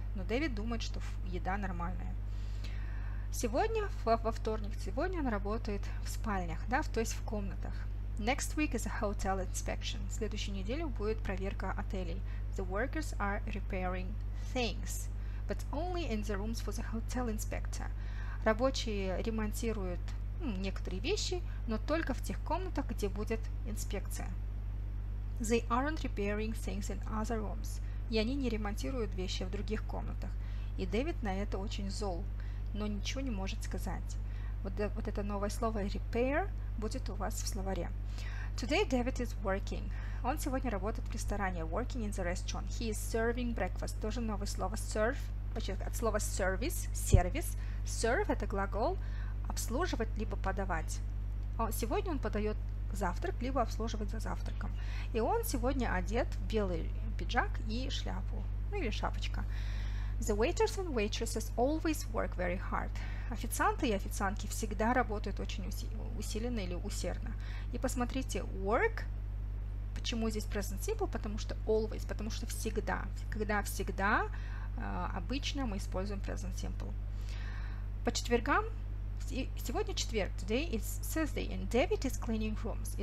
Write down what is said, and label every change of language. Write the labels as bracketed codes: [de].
[ru] Но Дэвид думает, что еда нормальная. Сегодня, во вторник, сегодня он работает в спальнях, да, то есть в комнатах. [en] Next week is a hotel inspection. [ru] Следующую неделю будет проверка отелей. [en] The workers are repairing things, but only in the rooms for the hotel inspector. [ru] Рабочие ремонтируют некоторые вещи, но только в тех комнатах, где будет инспекция. [en] They aren't repairing things in other rooms. [ru] И они не ремонтируют вещи в других комнатах. И Дэвид на это очень зол, но ничего не может сказать. Вот это новое слово repair будет у вас в словаре. [en] Today David is working. [ru] Он сегодня работает в ресторане. [en] Working in the restaurant. He is serving breakfast. [ru] Тоже новое слово [en] serve. [ru] Почти от слова service, сервис. Serve – это глагол обслуживать либо подавать. Сегодня он подает завтрак, либо обслуживает за завтраком. И он сегодня одет в белый пиджак и шляпу, ну или шапочка. [en] The waiters and waitresses always work very hard. [ru] Официанты и официантки всегда работают очень усиленно или усердно. И посмотрите, work, почему здесь present simple, потому что always, потому что всегда. Когда всегда, обычно мы используем present simple. По четвергам, сегодня четверг, [en] today is Thursday, and David is cleaning rooms.